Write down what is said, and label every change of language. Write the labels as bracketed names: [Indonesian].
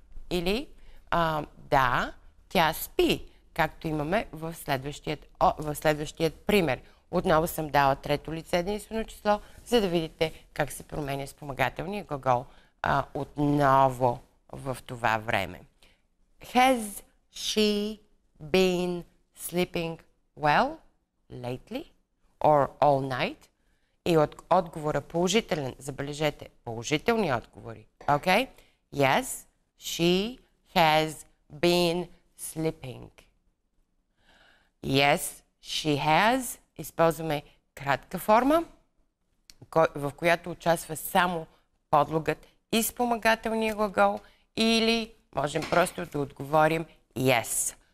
[Bulgarian] Или да, тя спи, както имаме в следващият пример. Отново съм дала трето лице единствено число, за да видите как се променя спомагателния глагол отново в това време. [English] Has she been sleeping well lately or all night? [Bulgarian] И отговора положителен, забележете, положителни отговори. [English] Okay? Yes, she has been sleeping. Yes, she has. [Bulgarian] Използваме кратка форма, в която участва само подлогът и спомагателния глагол, или можем просто да отговорим yes.